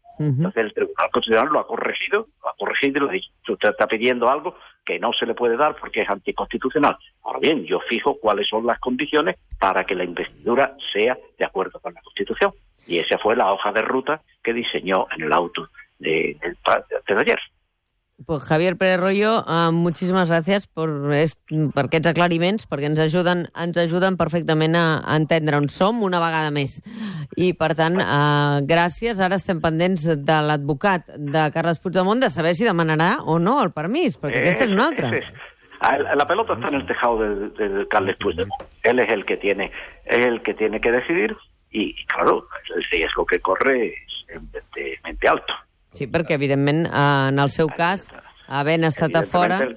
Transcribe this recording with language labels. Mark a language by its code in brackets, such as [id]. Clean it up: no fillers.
[es] Entonces el Tribunal Constitucional lo ha corregido y le ha dicho, usted está pidiendo algo que no se le puede dar porque es anticonstitucional. Ahora bien, yo fijo cuáles son las condiciones para que la investidura sea de acuerdo con la Constitución. Y esa fue la hoja de ruta que diseñó en el auto de ayer. [ca] Pues Javier Pérez Royo, muchíssimes gràcies per aquests aclariments, perquè ens ajuden perfectament a entendre on som una vegada més. I, per tant, gràcies. Ara estem pendents de l'advocat de Carles Puigdemont de saber si demanarà o no el permís, perquè aquesta és una altra. [es] La pelota està en el tejado de Carles Puigdemont. Él es el que tiene que decidir y, claro, el riesgo que corre es mente alto. [ca] Sí, perquè, evidentment, en el seu cas, havent estat a fora...